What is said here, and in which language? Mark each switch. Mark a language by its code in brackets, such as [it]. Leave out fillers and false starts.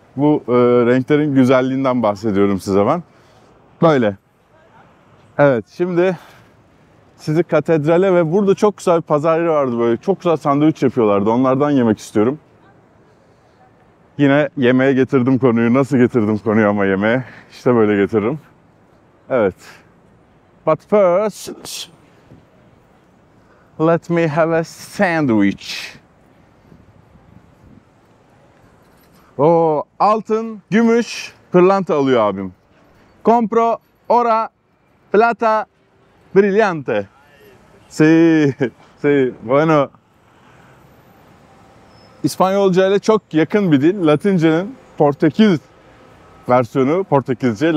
[tr] Bu renklerin güzelliğinden bahsediyorum size ben. Böyle. Evet, şimdi sizi katedrale ve burada çok güzel bir pazar yeri vardı böyle. Çok güzel sandviç yapıyorlardı. Onlardan yemek istiyorum. Yine yemeğe getirdim konuyu. Nasıl getirdim konuyu ama yemeğe? İşte böyle getiririm. Evet. [en] But first, let me have a sandwich. [tr] Altın, gümüş, pırlanta alıyor abim. [es] Compro ora plata brillante. Si, si, bueno. [tr] İspanyolca ile çok yakın bir dil. Latince'nin Portekiz versiyonu, Portekizce.